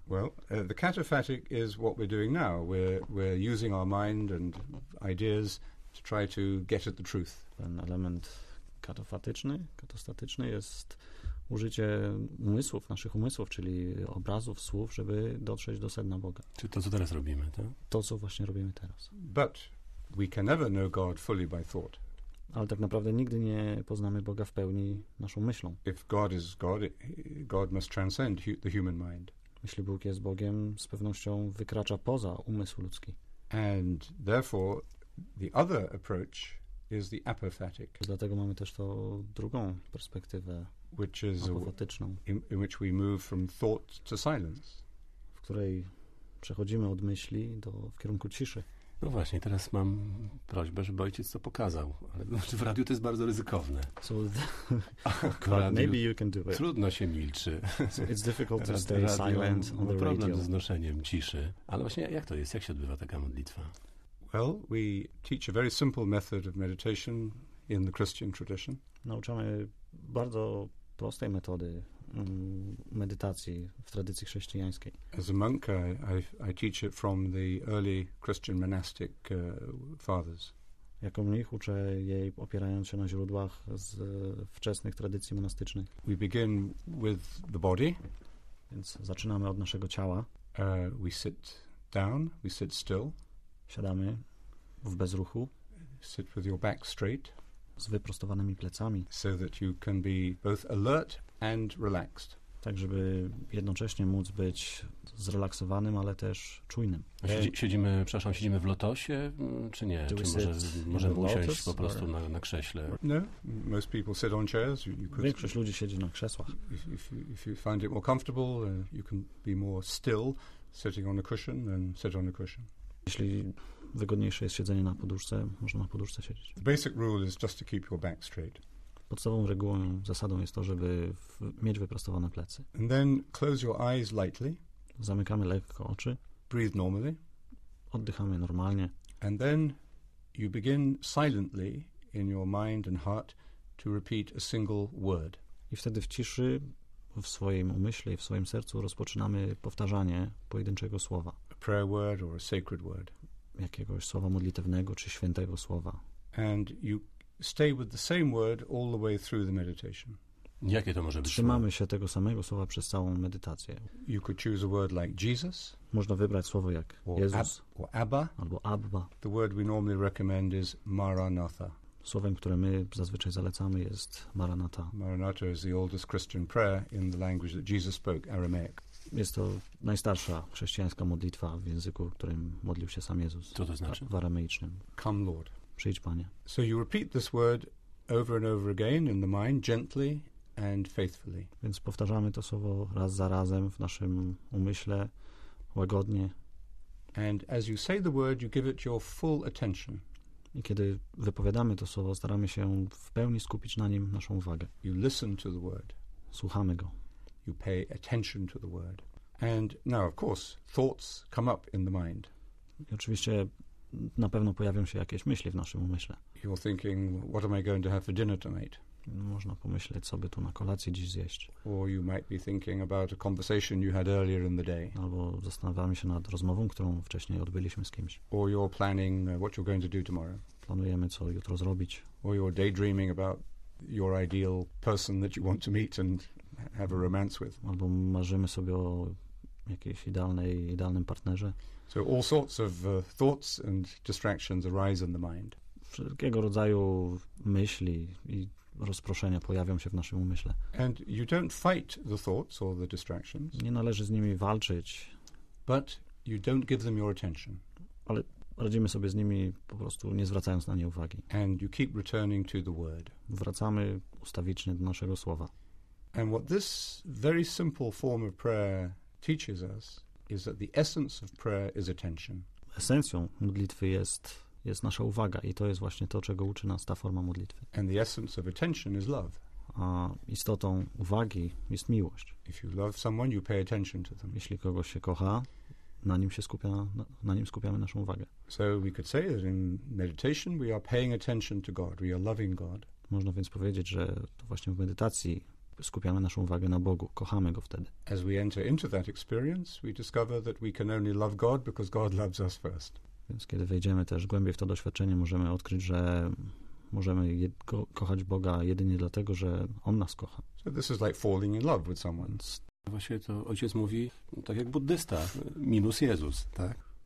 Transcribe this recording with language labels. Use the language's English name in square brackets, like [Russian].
[English] Well, the cataphatic is what we're doing now. We're using our mind and ideas to try to get at the truth. [Polish] Ten element katastatyczny jest użycie umysłów, naszych umysłów, czyli obrazów, słów, żeby dotrzeć do sedna Boga. Czy to, co teraz robimy, to? To, co właśnie robimy teraz. [English] But we can never know God fully by thought. [Polish] Ale tak naprawdę nigdy nie poznamy Boga w pełni naszą myślą. [English] If God is God, God must transcend the human mind. [Polish] Jeśli Bóg jest Bogiem, z pewnością wykracza poza umysł ludzki. [English] And therefore the other approach is the apophatic. [Polish] Dlatego mamy też tą drugą perspektywę, [English] which is apofatyczną, in which we move from thought to silence. [Polish] W której przechodzimy od myśli w kierunku ciszy. No właśnie, teraz mam prośbę, żeby ojciec to pokazał. Ale w radiu to jest bardzo ryzykowne. [English] So, maybe you can do it. [Polish] Trudno się milczy. [English] So it's difficult to stay silent on the radio. [Polish] Problem z noszeniem ciszy. Ale właśnie jak to jest? Jak się odbywa taka modlitwa? [English] Well, we teach a very simple method of meditation in the Christian tradition. [Polish] Nauczamy bardzo prostej metody medytacji w tradycji chrześcijańskiej. [English] As a monk, I teach it from the early Christian monastic fathers. [Polish] Jako mnich uczę jej, opierając się na źródłach z wczesnych tradycji monastycznych. [English] We begin with the body. [Polish] Więc zaczynamy od naszego ciała. [English] We sit down, we sit still. [Polish] Siadamy w bezruchu. [English] Sit with your back straight. [Polish] z wyprostowanymi plecami. [English] So that you can be both alert and relaxed. [Polish] Tak, żeby jednocześnie móc być zrelaksowanym, ale też czujnym. Siedzimy, przepraszam, siedzimy w lotosie, czy nie? Czy możemy usiąść po prostu na krześle? [English] No, most people sit on chairs. [Polish] Większość ludzi siedzi na krzesłach. [English] If you find it more comfortable, you can be more still sitting on a cushion than sit on a cushion. [Polish] Jeśli wygodniejsze jest siedzenie na poduszce, można na poduszce siedzieć. [English] The basic rule is just to keep your back straight. [Polish] Podstawową regułą, zasadą jest to, żeby mieć wyprostowane plecy. [English] And then close your eyes lightly. [Polish] Zamykamy lekko oczy. [English] Breathe normally. [Polish] Oddychamy normalnie. [English] And then you begin silently in your mind and heart to repeat a single word. [Polish] I wtedy w ciszy, w swoim umyśle i w swoim sercu rozpoczynamy powtarzanie pojedynczego słowa. [English] A prayer word or a sacred word. [Polish] Jakiegoś słowa modlitewnego czy świętego słowa. [English] And you stay with the same word all the way through the meditation. [Polish] Jakie to może być? Trzymamy się tego samego słowa przez całą medytację. [English] You could choose a word like Jesus. [Polish] Można wybrać słowo jak Jezus. [English] Or Abba. [Polish] Albo Abba. [English] The word we normally recommend is Maranatha. [Polish] Słowem, które my zazwyczaj zalecamy, jest Maranatha. [English] Maranatha is the oldest Christian prayer in the language that Jesus spoke, Aramaic. [Polish] Jest to najstarsza chrześcijańska modlitwa w języku, którym modlił się sam Jezus. Co to znaczy? W aramejskim. [English] Come Lord. [Polish] Przyjdź, Panie. [English] So you repeat this word over and over again in the mind, gently and faithfully. [Polish] Więc powtarzamy to słowo raz za razem w naszym umyśle, łagodnie. [English] And as you say the word, you give it your full attention. [Polish] I kiedy wypowiadamy to słowo, staramy się w pełni skupić na nim naszą uwagę. [English] You listen to the word. [Polish] Słuchamy go. [English] You pay attention to the word. And now, of course, thoughts come up in the mind. [Polish] I oczywiście na pewno pojawią się jakieś myśli w naszym umyśle. [English] You're thinking, what am I going to have for dinner tonight? [Polish] Można pomyśleć, co by tu na kolację dziś zjeść. [English] Or you might be thinking about a conversation you had earlier in the day. [Polish] Albo zastanawiamy się nad rozmową, którą wcześniej odbyliśmy z kimś. [English] Or you're planning what you're going to do tomorrow. [Polish] Planujemy, co jutro zrobić. [English] Or you're daydreaming about your ideal person that you want to meet and have a romance with. [Polish] Albo marzymy sobie o jakiejś idealnym partnerze. [English] So all sorts of thoughts and distractions arise in the mind. [Polish] Wszelkiego rodzaju myśli i rozproszenia pojawią się w naszym umyśle. [English] And you don't fight the thoughts or the distractions. [Polish] Nie należy z nimi walczyć. [English] But you don't give them your attention. [Polish] Ale radzimy sobie z nimi po prostu nie zwracając na nie uwagi. [English] And you keep returning to the word. [Polish] Wracamy ustawicznie do naszego słowa. [English] And what this very simple form of prayer teaches us is that the essence of prayer is attention. [Polish] Esencją modlitwy jest nasza uwaga i to jest właśnie to, czego uczy nas ta forma modlitwy. [English] And the essence of attention is love. [Polish] A istotą uwagi jest miłość. [English] If you love someone, you pay attention to them. [Polish] Jeśli kogoś się kocha, na nim skupiamy naszą uwagę. [English] So we could say that in meditation we are paying attention to God, we are loving God. [Polish] Można więc powiedzieć, że to właśnie w medytacji skupiamy naszą uwagę na Bogu, kochamy Go wtedy. [English] As we enter into that experience, we discover that we can only love God because God loves us first. [Polish] Więc kiedy wejdziemy też głębiej w to doświadczenie, możemy odkryć, że możemy kochać Boga jedynie dlatego, że On nas kocha. [English] So this is like falling in love with someone. [Polish] Właśnie to ojciec mówi, tak jak buddysta, minus Jezus, tak?